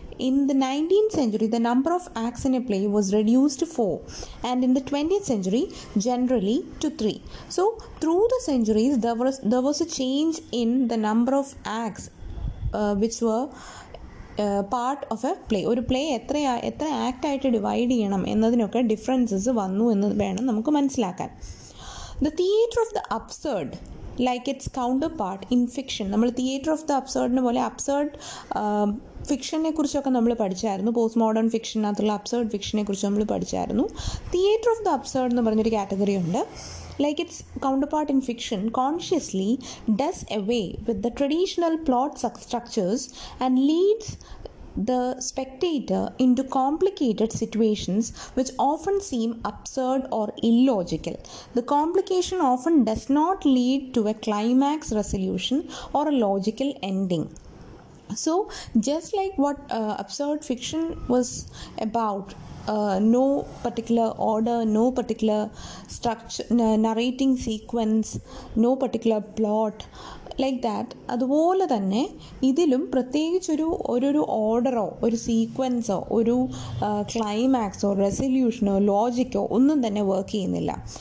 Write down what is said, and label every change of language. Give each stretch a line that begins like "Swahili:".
English: In the 19th century, the number of acts in a play was reduced to 4, and in the 20th century, generally to 3. So through the centuries, there was a change in the number of acts which were part of a play.
Malayalam: ഒരു play എത്ര ആക്റ്റായിട്ട് divide ചെയ്യണം എന്നതിനൊക്കെ differences വന്നു എന്ന് വേണം നമുക്ക് മനസ്സിലാക്കാൻ.
English: The theatre of the absurd like its counterpart in fiction.
Malayalam: നമ്മൾ theatre of the അബ്സേർഡിനെ പോലെ അബ്സേർഡ് ഫിക്ഷനെ കുറിച്ചൊക്കെ നമ്മൾ പഠിച്ചായിരുന്നു. പോസ്റ്റ് മോഡേൺ ഫിക്ഷനകത്തുള്ള അബ്സേർഡ് ഫിക്ഷനെ കുറിച്ച് നമ്മൾ പഠിച്ചായിരുന്നു. തിയേറ്റർ ഓഫ് ദ അബ്സേർഡ് എന്ന് പറഞ്ഞൊരു കാറ്റഗറി ഉണ്ട്.
English: Like its counterpart in fiction, consciously does away with the traditional plot structures and leads the spectator into complicated situations which often seem absurd or illogical. The complication often does not lead to a climax resolution or a logical ending. So just like what absurd fiction was about, no particular order, no particular structure, narrating sequence, no particular plot, like that,
Malayalam: അതുപോലെ തന്നെ ഇതിലും പ്രത്യേകിച്ചൊരു ഒരു ഓർഡറോ ഒരു സീക്വൻസോ ഒരു ക്ലൈമാക്സോ റെസൊല്യൂഷനോ ലോജിക്കോ ഒന്നും തന്നെ work ചെയ്യുന്നില്ല.